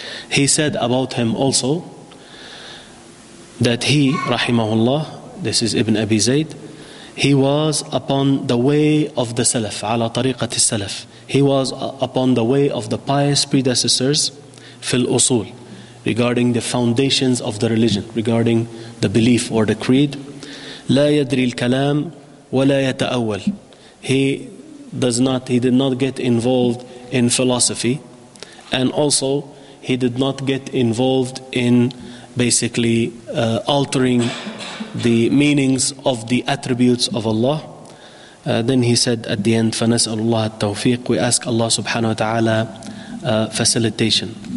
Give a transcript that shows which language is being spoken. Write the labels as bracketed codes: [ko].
[en] He said about him also that he, rahimahullah, this is Ibn Abi Zayd, he was upon the way of the salaf, [ar] عَلَى طَرِيقَةِ السَّلَفِ. [en] He was upon the way of the pious predecessors, [ar] فِي الْأُصُولِ, [en] regarding the foundations of the religion, regarding the belief or the creed. [ar] لا يدري الكلام ولا يتأول. [en] He did not get involved in philosophy, and also he did not get involved in basically altering the meanings of the attributes of Allah. Then he said at the end, [ar] فنسأل الله التوفيق, [en] we ask Allah subhanahu wa ta'ala facilitation.